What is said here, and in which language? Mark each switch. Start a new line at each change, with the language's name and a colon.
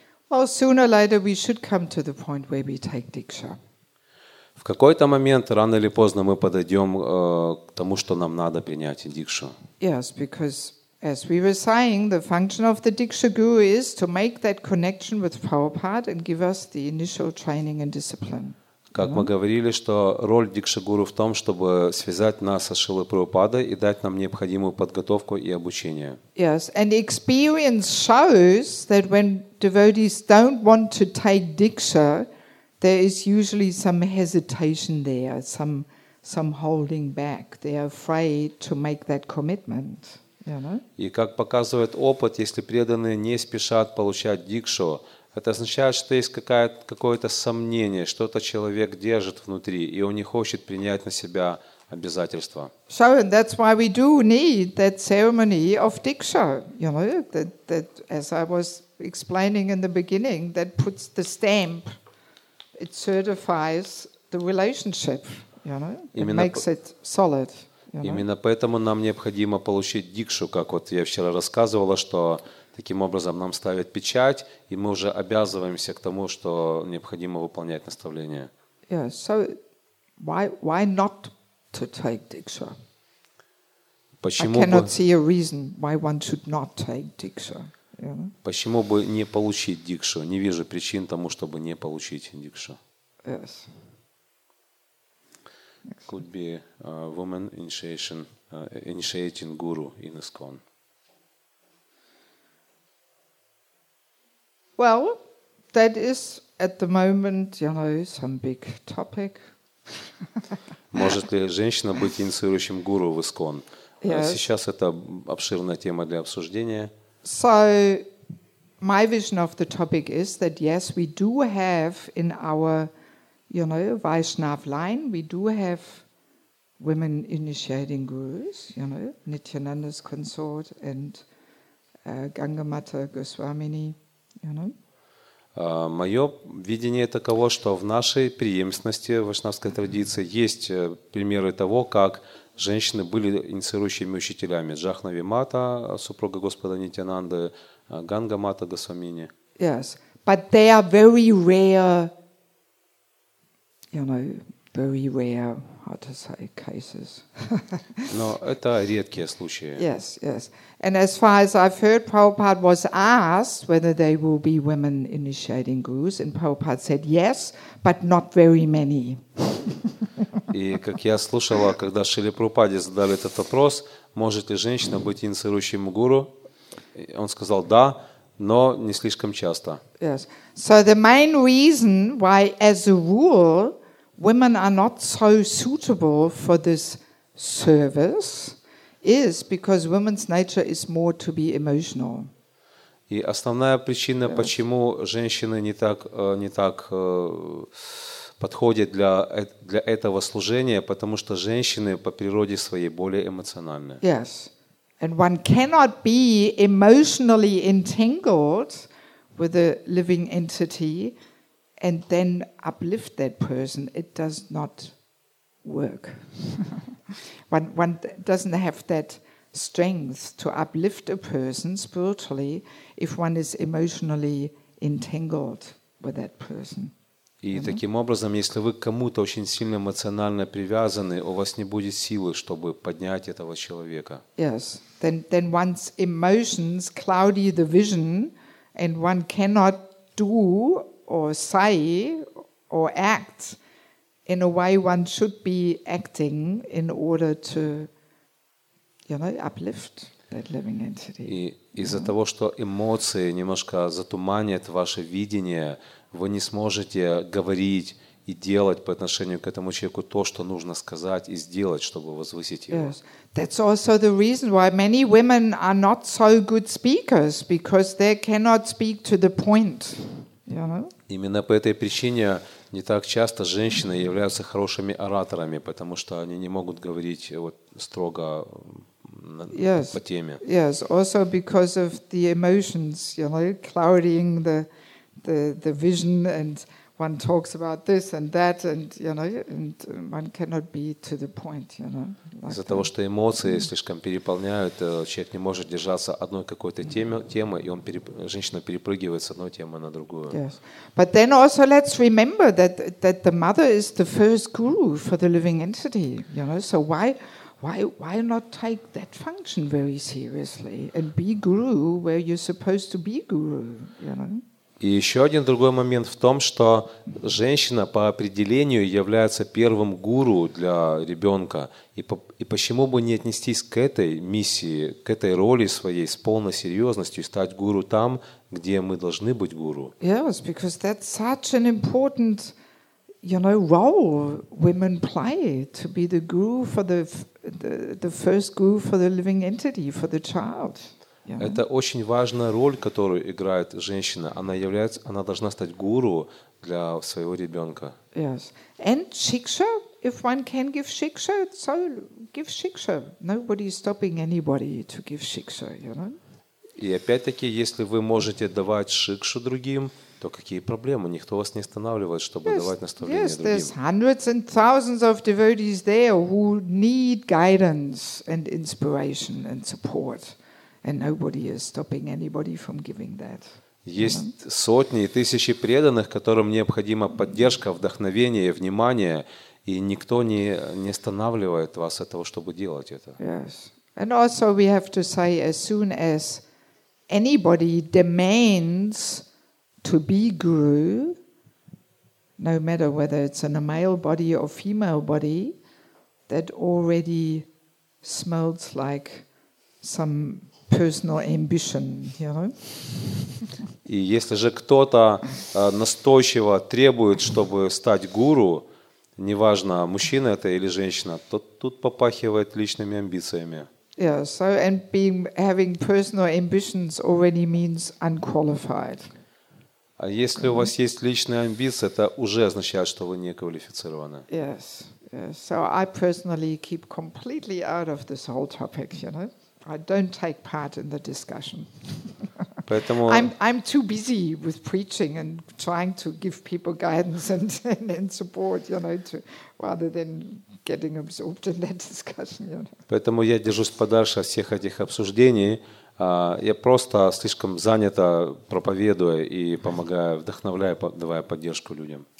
English: Well, sooner or later we should come to the point where we take diksha.
Russian: В какой-то момент, рано или поздно, мы подойдем к тому, что нам надо принять дикшу.
English: Yes, because as we were saying, the function of the Diksha Guru is to make that connection with Prabhupada and give us the initial training and discipline.
Russian: Как мы говорили, что роль Дикша Гуру в том, чтобы связать нас со Шрилой Прабхупадой и дать нам необходимую подготовку и обучение.
English: Yes, and experience shows that when devotees don't want to take Diksha, there is usually some hesitation there, some holding back. They are afraid to make that commitment.
Russian: И как показывает опыт, если преданные не спешат получать дикшу, это означает, что есть какое-то сомнение, что-то человек держит внутри, и он не хочет принять на себя обязательства.
English: So that's why we do need that ceremony of diksha, you know, that as I was explaining in the beginning, that puts the stamp, it certifies the relationship, you know, it makes it solid.
Russian: Именно поэтому нам необходимо получить дикшу, как вот я вчера рассказывала, что таким образом нам ставят печать, и мы уже обязываемся к тому, что необходимо выполнять наставления.
English: Yeah, so why not to take diksha?
Russian: Почему
English: I cannot see a reason why one should not take diksha.
Russian: Почему бы не получить дикшу? Не вижу причин тому, чтобы не получить дикшу.
English: Yes. Could be a woman initiation, initiating guru in ISKCON. Well, that is at the moment, you know, some big topic.
Russian: Может ли женщина быть инициирующим гуру в ISKCON? Сейчас это обширная тема для обсуждения.
English: So, my vision of the topic is that yes, we do have in our, you know, Vaishnav line, we do have women initiating gurus, you know, Nityananda's consort and Gangamata Goswamini, you know.
Russian: Мое видение таково, что в нашей преемственности вайшнавской традиции есть примеры того, как женщины были инициирующими учителями. Джахнави Мата, супруга Господа Нитянанды, Гангамата Госвамини.
English: Yes, but they are very rare, you know, very rare, how to say, cases.
Russian: Но это редкие случаи.
English: Yes, yes. And as far as I've heard, Prabhupada was asked whether there will be women initiating gurus, and Prabhupada said yes, but not very many.
Russian: И как я слушала, когда Шриле Прабхупаде задали этот вопрос, может ли женщина быть инициирующим гуру? Он сказал да, но не слишком часто.
English: Yes. So the main reason why, as a rule, women are not so suitable for this service is because women's nature is more to be emotional.
Russian: И основная причина,
English: yes,
Russian: почему женщины не так подходят для этого служения, потому что женщины по природе своей более эмоциональны.
English: Yes. And one cannot be emotionally entangled with a living entity and then uplift that person. It does not work. One doesn't have that strength to uplift a person spiritually if one is emotionally entangled with that person.
Russian: И таким образом, если вы к кому-то очень сильно эмоционально привязаны, у вас не будет силы, чтобы поднять этого человека.
English: Yes. Then once emotions cloud the vision and one cannot do or say or act in a way one should be acting in order to, you know, uplift that living entity.
Russian: И из-за того, что эмоции немножко затуманят ваше видение, вы не сможете говорить и делать по отношению к этому человеку то, что нужно сказать и сделать, чтобы возвысить его.
English: Yes. That's also the reason why many women are not so good speakers, because they cannot speak to the point. You know?
Russian: Именно по этой причине не так часто женщины являются хорошими ораторами, потому что они не могут говорить вот строго
English: yes.
Russian: по теме.
English: Yes, also because of the emotions, you know, clouding the vision, and one talks about this and that, and you know, and one cannot be to the point, you know.
Russian: Из-за того, что эмоции слишком переполняют, человек не может держаться одной какой-то темы, и женщина перепрыгивает с одной темы на другую.
English: Yes, but then also let's remember that the mother is the first guru for the living entity, you know. So why not take that function very seriously and be guru where you're supposed to be guru, you know?
Russian: И еще один другой момент в том, что женщина по определению является первым гуру для ребенка. И почему бы не отнестись к этой миссии, к этой роли своей с полной серьезностью и стать гуру там, где мы должны быть гуру?
English: Yes, because that's such an important, you know, role women play, to be the guru for the first guru for the living entity, for the child. Yeah.
Russian: Это очень важная роль, которую играет женщина. Она должна стать гуру для своего ребенка.
English: Yes. And shiksha, if one can give shiksha, so give shiksha. Nobody is stopping anybody to give shiksha, you know?
Russian: И опять-таки, если вы можете давать шикшу другим, то какие проблемы? Никто вас не останавливает, чтобы
English: yes.
Russian: давать наставления
English: yes,
Russian: другим.
English: Yes, there's hundreds and thousands of devotees there who need guidance and inspiration and support. And nobody is stopping anybody from giving that.
Russian: Есть сотни и тысячи преданных, которым необходима поддержка, вдохновение, внимание, и никто не останавливает вас от того, чтобы делать это.
English: Yes. And also we have to say, as soon as anybody demands to be guru, no matter whether it's in a male body or female body, that already smells like some personal ambition, you know?
Russian: И если же кто-то настойчиво требует, чтобы стать гуру, неважно, мужчина это или женщина, то тут попахивает личными амбициями.
English: Yeah, so and being having personal ambitions already means unqualified.
Russian: А если у вас есть личные амбиции, это уже означает, что вы не квалифицированы.
English: Yes. So I personally keep completely out of this whole topic, you know? I don't take part in the discussion.
Russian: Поэтому
English: I'm too busy with preaching and trying to give people guidance and support, you know, to rather than getting absorbed in that discussion, you know.
Russian: Поэтому я держусь подальше от всех этих обсуждений. Я просто слишком занята проповедуя и помогая, вдохновляя, давая поддержку людям.